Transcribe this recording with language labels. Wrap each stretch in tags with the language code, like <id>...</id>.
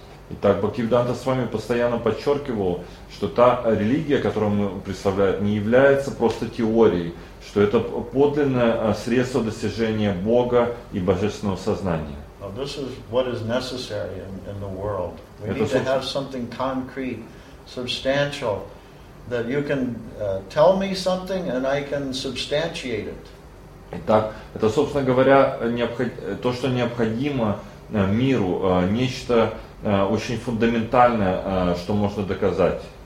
<ru>Итак, Бхактивиданта Свами постоянно подчеркивал, что та религия, которую мы представляем, не является просто теорией, что это подлинное средство достижения Бога и божественного сознания.</ru> <en>Well, this is what is necessary in the world. We</en> <ru>это</ru> <en>need to have something concrete, substantial, that you can tell me something and I can substantiate it.</en> <ru>Итак, это, собственно говоря, то, что необходимо миру, нечто очень фундаментальное, что можно доказать.</ru>